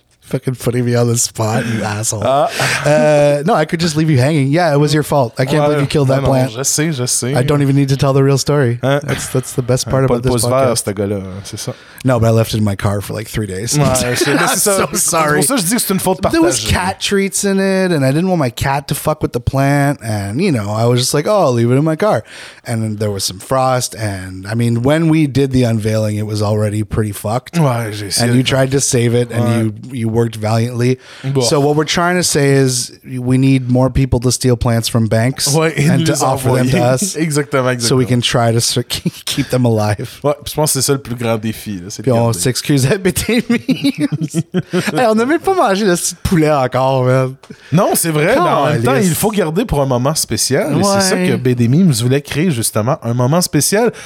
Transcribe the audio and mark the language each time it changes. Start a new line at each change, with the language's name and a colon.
English: Fucking putting me on the spot, you asshole. No, I could just leave you hanging. Yeah, it was your fault. I can't believe you killed that plant.
French: Je sais.
English: I don't even need to tell the real story. That's the best part about this podcast.
French: Pas de pouce vert, ce gars-là, c'est ça.
English: No, but I left it in my car for like 3 days. I'm so sorry.
French: C'est pour ça que je dis que c'est une faute partagée.
English: There was cat treats in it, and I didn't want my cat to fuck with the plant. And, you know, I was just like, oh, I'll leave it in my car. And then there was some frost. And, I mean, when we did the unveiling, it was already pretty fucked. Ouais, you tried to save it, and you worked valiantly. Bon. So what we're trying to say is we need more people to steal plants from banks and to offer them to us.
French: Exactement.
English: So we can try to keep them alive.
French: Ouais, je pense que c'est ça le plus grand défi. Là, c'est puis on s'excuse à BT Memes. Hey, on n'a même pas mangé le petit poulet encore, man. Non, c'est vrai. Mais en même temps, il faut garder pour un moment spécial. Ouais. Et c'est ça que BD Memes voulait créer, justement, un moment spécial.